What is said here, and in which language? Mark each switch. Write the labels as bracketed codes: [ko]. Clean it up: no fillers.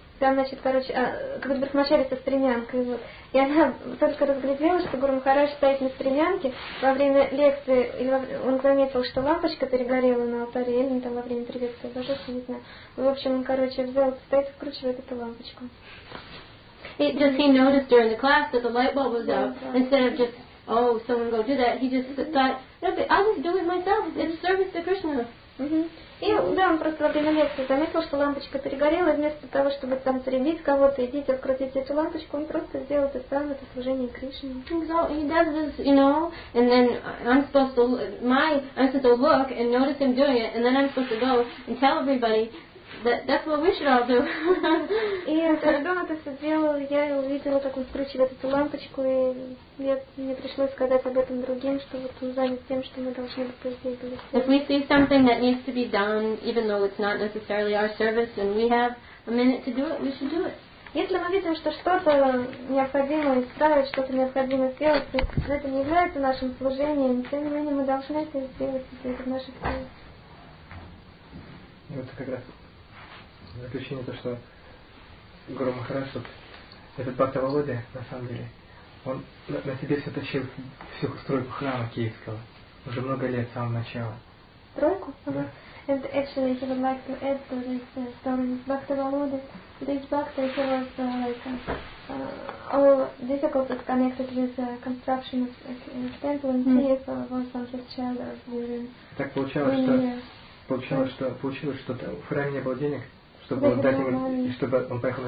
[ru] Там, значит, короче, как бы вначале со стремянкой. Вот. И она только разглядела, что Гуру Махарадж стоит на стремянке во время лекции. Или он заметил, что лампочка перегорела на алтаре, или там во время приветствия божества, не знаю. В общем, он, короче, взял, стоит, вкручивает эту лампочку. [en] Just, he noticed during the class that the light bulb was out. Instead of just, oh, someone go do that, he just thought, I'll just do it myself. It's service to Krishna. [ru] И да, он просто во время лекции заметил, что лампочка перегорела, и вместо того, чтобы там соревнить кого-то, идите открутить эту лампочку, он просто сделал это сам, это служение Кришне. [en] So he does this, you know, and then I'm supposed to, I'm supposed to look and notice him doing it, and then I'm supposed to go and tell everybody that that's what we should all do. [ru] И когда он это все сделал, я увидела, как он скручивает эту лампочку, и мне пришлось сказать об этом другим, что вот он занят тем, что мы должны это сделать. [en] If we see something that needs to be done, even though it's not necessarily our service, and we have a minute to do it, we should do it. [ru] Если мы видим, что что-то необходимо исправить, что-то необходимо сделать, то это не является нашим служением, тем не менее мы должны это сделать, если это наше служение. Вот как раз заключение то, что Гуру Махарадж, вот этот Бхакта Володя, на самом деле, он на себе все тащил всю стройку храма киевского уже много лет с самого начала. Стройку? Да. [en] And actually, he would like to add to this story with Bhakta Valuda. This Bhakta, he was all difficult to connect with the construction of temple in Kiev was on his child or within. [ru] Так получалось, что получилось, что в храме не было денег, чтобы дать ему, и чтобы он поехал на